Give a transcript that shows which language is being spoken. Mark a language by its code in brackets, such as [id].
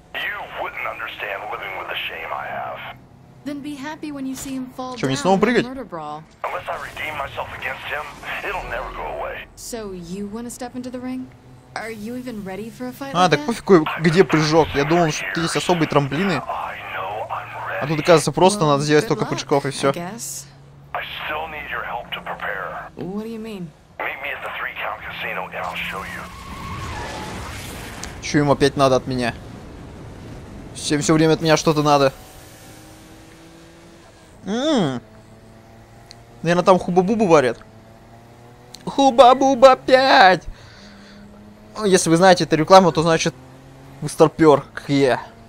[en] You wouldn't understand living with the shame I have. Then be happy when you see him fall down in a murder brawl. Unless I redeem myself against him, it'll never go away. So you want to step into the ring? Are you even ready for a fight? [ru] А, так пофиг, где прыжок? Я думал, что тут есть особые трамплины. А тут, оказывается, просто надо сделать столько прыжков и все. [en] I still need your help to prepare. What do you mean? Meet me at the Three Count Casino and I'll show you. [ru] Чё им опять надо от меня? Всем все время от меня что-то надо. Наверное, там хуба-бубу варят. Хуба-буба 5! Если вы знаете эту рекламу, то значит... Вы старпёр, как я.